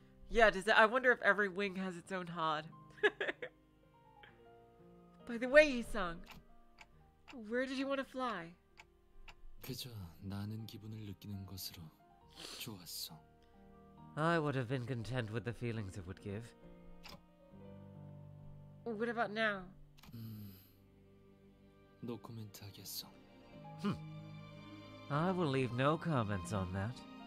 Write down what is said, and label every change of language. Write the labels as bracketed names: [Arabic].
[English] Yeah, I wonder if every wing has its own HOD. By the way, Hee-sung, where did you want to fly? [Korean] 그저 나는 기분을 느끼는 것으로 좋았어. [English] I would have been content with the feelings it would give. What about now? [Korean] 노 코멘트 하겠어. [English] I will leave no comments on that.